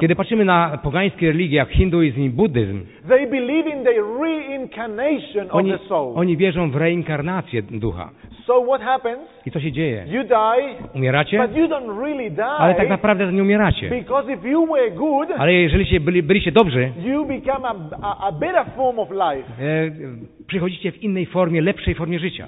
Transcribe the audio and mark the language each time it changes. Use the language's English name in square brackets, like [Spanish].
[Polish] kiedy patrzymy na pogańskie religie jak hinduizm i buddyzm, [English] they believe in the reincarnation of the soul. [Polish] Oni wierzą w reinkarnację ducha. [English] So what happens? [Polish] I co się dzieje? [English] You die. [Polish] Umieracie? [English] But you don't really die. [Polish] Ale tak naprawdę nie umieracie. [English] Because if you were good, [Polish] ale jeżeli byliście dobrzy, [English] you become a better form of life. [Polish] przychodzicie w innej formie, lepszej formie życia.